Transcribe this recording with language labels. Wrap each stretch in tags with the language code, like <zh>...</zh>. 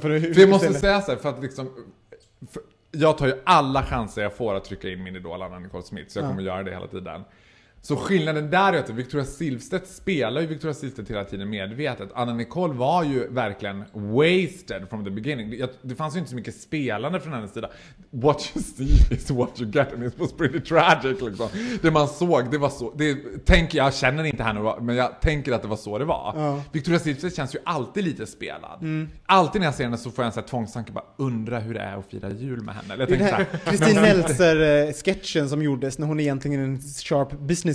<sv>för det måste säga så här, för att liksom... Jag tar ju alla chanser jag får att trycka in min idol Anna Nicole Smith. Så jag kommer göra det hela tiden. Så skillnaden där är att Victoria Silvstedt spelar ju Victoria Silvstedt hela tiden medvetet. Anna Nicole var ju verkligen</sv> <en>wasted from the beginning.</en> <sv>Det fanns ju inte så mycket spelande från hennes sida.</sv> <en>What you see is what you get. And it was pretty tragic</en> <sv>liksom. Det man såg, det var så. Jag känner inte henne, men jag tänker att det var så det var. Victoria Silvstedt känns ju alltid lite spelad. Mm. Alltid när jag ser henne så får jag en sån här tvångstanke. Bara undra hur det är att fira jul med henne. Eller jag tänker såhär. Christine Meltzer-sketchen som gjordes när hon egentligen är en sharp business.</sv>